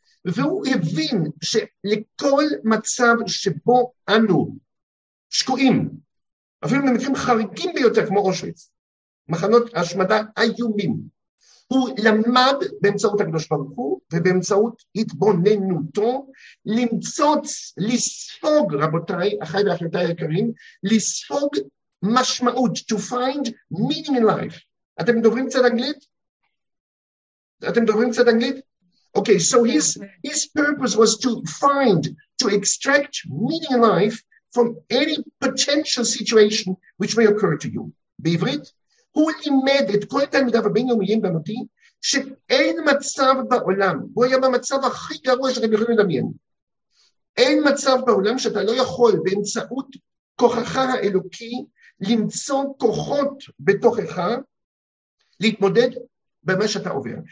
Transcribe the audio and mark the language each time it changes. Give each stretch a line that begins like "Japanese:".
Hebrew: והוא הבין שלכל מצב שבו אנו שקועים, אפילו במקרים חריגים ביותר כמו אושוויץ, מחנות השמדה איומים, הוא למד באמצעות הקדוש ברוך הוא, ובאמצעות התבוננותו, למצוץ, לספוג, רבותיי, אחיי ואחיותיי היקרים, לספוג משמעות,
English: to find meaning in life.
Hebrew: אתם דוברים קצת אנגלית? אתם דוברים קצת אנגלית?
English: Okay, so his purpose was to find, to extract meaning in life from any potential situation which may occur to you.
Hebrew: בעברית? הוא לימד את כל תלמידיו הבינלאומיים במותי, שאין מצב בעולם, הוא היה במצב הכי גרוע שאתם יכולים לדמיין, אין מצב בעולם שאתה לא יכול באמצעות כוחך האלוקי, למצוא כוחות בתוכך, להתמודד במה שאתה עובר.